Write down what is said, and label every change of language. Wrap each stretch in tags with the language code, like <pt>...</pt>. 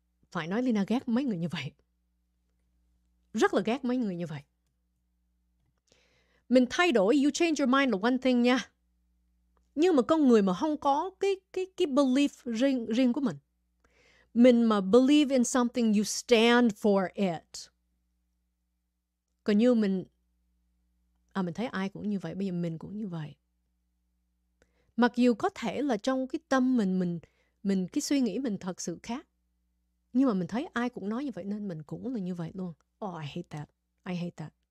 <vi>Phải nói Lina ghét mấy người như vậy. Rất là ghét mấy người như vậy. Mình thay đổi,</vi> <en>you change your mind</en> <vi>là one thing nha. Nhưng mà con người mà không có cái belief riêng của mình. Mình mà</vi> <en>believe in something, you stand for it.</en> <vi>Còn như mình, mình thấy ai cũng như vậy, bây giờ mình cũng như vậy. Mặc dù có thể là trong cái tâm mình cái suy nghĩ mình thật sự khác. Nhưng mà mình thấy ai cũng nói như vậy nên mình cũng là như vậy luôn.</vi> <en>Oh, I hate that.</en>